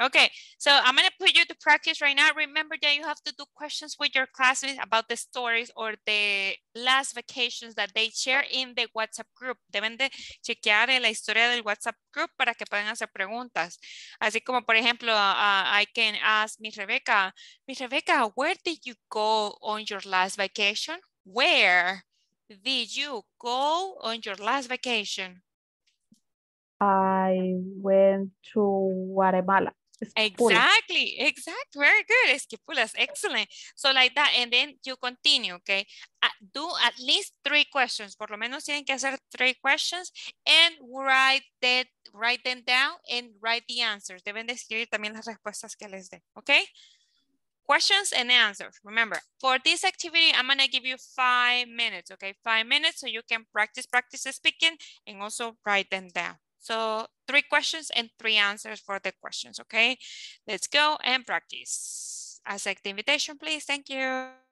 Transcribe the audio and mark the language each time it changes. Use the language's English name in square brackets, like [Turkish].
[English] Okay, so I'm going to put you to practice right now. Remember that you have to do questions with your classmates about the stories or the last vacations that they share in the WhatsApp group. [Spanish] Deben de chequear en la historia del WhatsApp group para que puedan hacer preguntas. Así como, por ejemplo, [English] I can ask Miss Rebecca, where did you go on your last vacation? Where did you go on your last vacation? I went to Guatemala. Exactly, exactly. Very good, Esquipulas. Excellent. So like that, and then you continue, okay? Do at least three questions. [Spanish] Por lo menos tienen que hacer [English] three questions and write them down and write the answers. [Spanish] Deben de escribir también las respuestas que les den, okay? [English] Questions and answers. Remember, for this activity, I'm going to give you 5 minutes, okay? 5 minutes so you can practice speaking and also write them down. So, 3 questions and 3 answers for the questions, okay? Let's go and practice. Accept the invitation, please. Thank you.